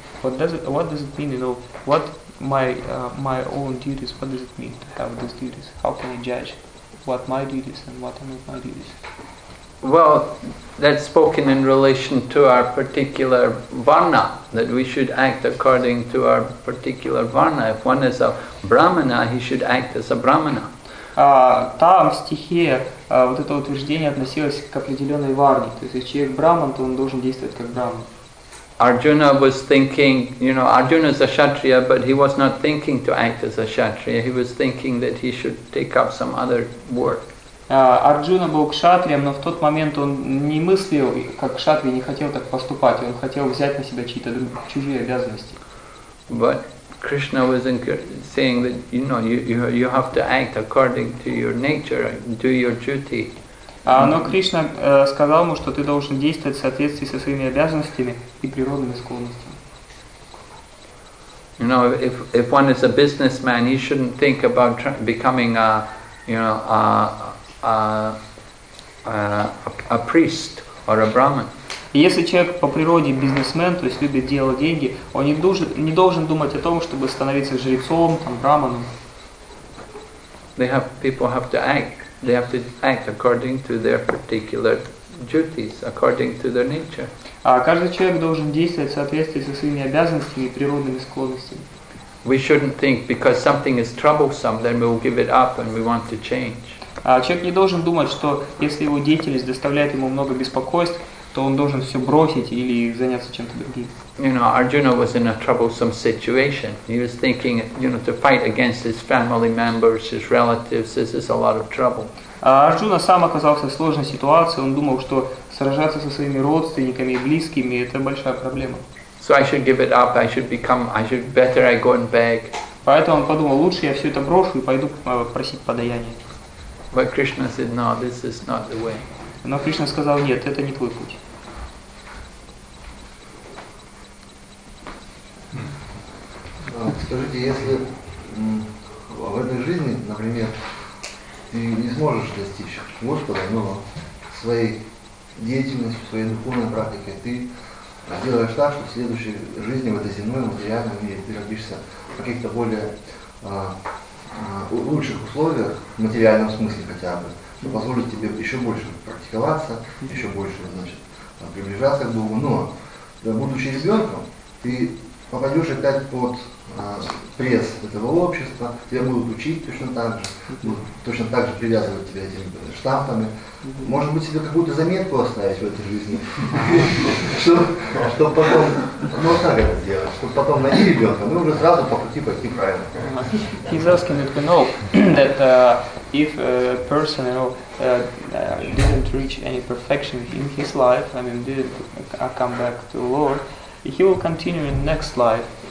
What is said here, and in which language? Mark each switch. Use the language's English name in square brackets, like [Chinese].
[English] What does it mean, you know, what my own duties, what does it mean to have these duties? How can I judge what my duties and what are not my duties? Well, that's spoken in relation to our particular varna, that we should act according to our particular varna. If one is a brahmana, he should act as a brahmana. [Russian] Там в стихе вот это утверждение относилось к определенной варне. То есть, если человек брахман, то он должен действовать как брахман. [English] Arjuna was thinking, you know, Arjuna is a kshatriya, but he was not thinking to act as a kshatriya. He was thinking that he should take up some other work. [Russian] Arjuna был кшатрием, но в тот момент он не мыслил как кшатрия, не хотел так поступать. Он хотел взять на себя чьи-то чужие обязанности. [English] But Krishna was saying that, you know, you have to act according to your nature, do your duty. [Russian] Но Кришна сказал ему, что ты должен действовать в соответствии со своими обязанностями и природными склонностями. [English] You know, if one is a businessman, he shouldn't think about becoming a, you know, a priest or a brahmin. [Russian] Если человек по природе бизнесмен, то есть любит делать деньги, он не должен думать о том, чтобы становиться жрецом, там, брахманом. [English] They have to act according to their particular duties, according to their nature. [Russian] Каждый человек должен действовать в соответствии со своими обязанностями и природными склонностями. [English] We shouldn't think because something is troublesome, then we will give it up and we want to change. [Russian] Человек не должен думать, что если его деятельность доставляет ему много беспокойств, то он должен все бросить или заняться чем-то другим. [English] You know, Arjuna was in a troublesome situation. He was thinking, you know, to fight against his family members, his relatives, this is a lot of trouble. [Russian] Arjuna сам оказался в сложной ситуации. Он думал, что сражаться со своими родственниками и близкими – это большая проблема. [English] So I should give it up, better I go and beg. [Russian] Поэтому он подумал, лучше я все это брошу и пойду просить подаяния. [English] But Krishna said, no, this is not the way. [Russian] Но Кришна сказал, нет, это не твой путь. Скажите, если в этой жизни, например, ты не сможешь достичь Господа, но своей деятельностью, своей духовной практикой ты делаешь так, что в следующей жизни, в этой земной, материальном мире, ты родишься в каких-то более лучших условиях, в материальном смысле хотя бы, что позволит тебе еще больше практиковаться, еще больше, значит, приближаться к Богу. Но, будучи ребенком, ты попадешь опять под пресс этого общества, тебя будут учить точно так же привязывать тебя этими штампами. Может быть, себе какую-то заметку оставить в этой жизни, чтобы потом, ну как это сделать, чтобы потом найти ребенка, ну уже сразу по пути пойти правильно. [English] He's asking that we know that if a person, you know, didn't reach any perfection in his life, I mean, didn't come back to the Lord, he will continue in next life.